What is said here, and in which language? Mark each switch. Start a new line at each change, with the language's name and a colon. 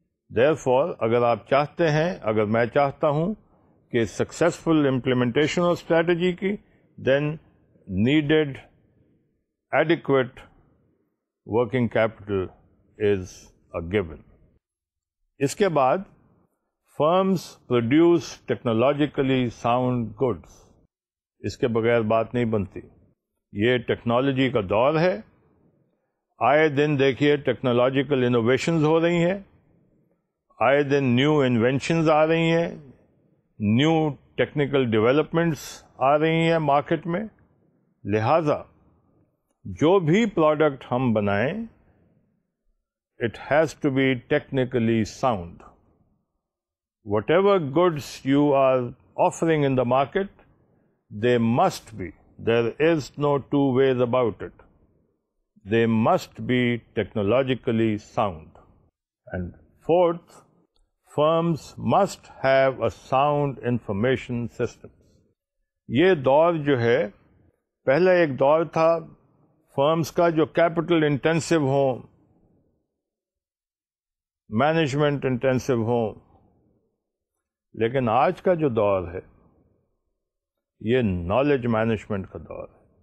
English: therefore
Urdu: اگر آپ چاہتے ہیں, اگر میں چاہتا ہوں کہ
English: Successful implementation of strategy کی, then needed adequate working capital is a given.
Urdu: اس کے بعد
English: firms produce technologically sound goods.
Urdu: اس کے بغیر بات نہیں بنتی. یہ ٹیکنالوجی کا دور ہے, آئے دن دیکھیے ٹیکنالوجیکل انوویشنز ہو رہی ہیں, آئے دن نیو انوینشنز آ رہی ہیں, نیو ٹیکنیکل ڈیولپمنٹس آ رہی ہیں مارکیٹ میں، لہذا جو بھی پروڈکٹ ہم بنائیں
English: It has to be technically sound. Whatever goods you are offering in the market they must be, there is no two ways about it, they must be technologically sound. And fourth, firms must have a sound information system.
Urdu: یہ دور جو ہے، پہلے ایک دور تھا firms کا جو کیپٹل انٹینسو ہوں، مینجمنٹ انٹینسو ہوں، لیکن آج کا جو دور ہے یہ نالج مینجمنٹ کا دور ہے.